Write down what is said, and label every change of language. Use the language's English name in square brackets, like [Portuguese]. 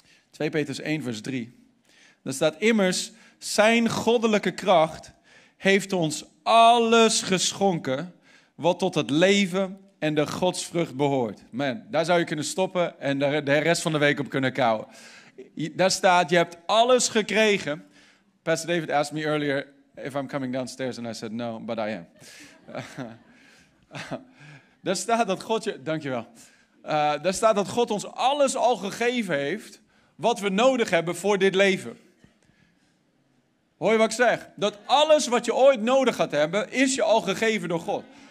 [Dutch] 2 Petrus 1 vers 3. Daar staat immers, zijn goddelijke kracht heeft ons alles geschonken wat tot het leven en de godsvrucht behoort. Man, daar zou je kunnen stoppen en de rest van de week op kunnen kauwen. Daar staat, je hebt alles gekregen. [English] Pastor David asked me earlier if I'm coming downstairs and I said no, but I am. [Dutch] Daar staat dat God je, dankjewel. Daar staat dat God ons alles al gegeven heeft wat we nodig hebben voor dit leven. Hoor je wat ik zeg? Dat alles wat je ooit nodig gaat hebben, is je al gegeven door God.